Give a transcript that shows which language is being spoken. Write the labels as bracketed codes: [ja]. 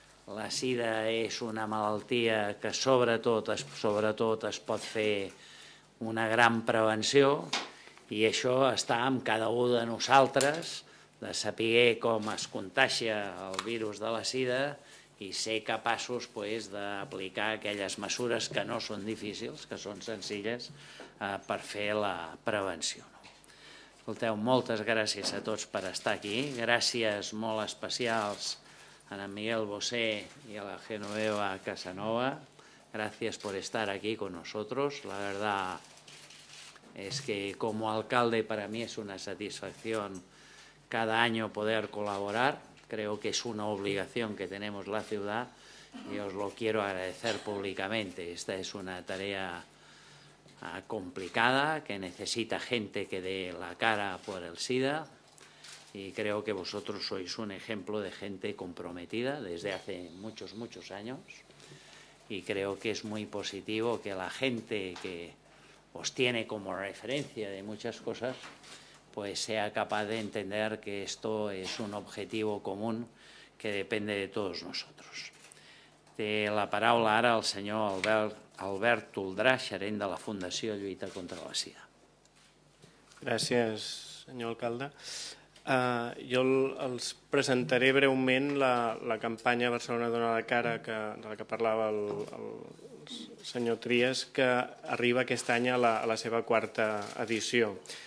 [ca] La Sida és una malaltia que sobretot es pot fer una gran prevenció, i això està en cada un de nosaltres, de saber com es contagia el virus de la Sida i ser capaços, pues, d'aplicar aquelles mesures que no són difícils, que són senzilles, per fer la prevenció. Escolteu, moltes gràcies a tots per estar aquí. Gràcies molt especials a en Miguel Bosé i a la Genoveva Casanova. Gràcies per estar aquí con nosotros. [es] La verdad es que como alcalde para mí es una satisfacción cada año poder colaborar. Creo que es una obligación que tenemos la ciudad y os lo quiero agradecer públicamente. Esta es una tarea complicada que necesita gente que dé la cara por el SIDA. Y creo que vosotros sois un ejemplo de gente comprometida desde hace muchos, muchos años. Y creo que es muy positivo que la gente que os tiene como referencia de muchas cosas, pues sea capaz de entender que esto es un objetivo común que depende de todos nosotros. [ca] Té la paraula ara el senyor Albert Toldrà, gerent de la Fundació Lluita contra la Sida. Gràcies, senyor alcalde. Jo els presentaré breument la campanya Barcelona dona la cara, que, de la que parlava el senyor Trias, que arriba aquest any a la seva quarta edició.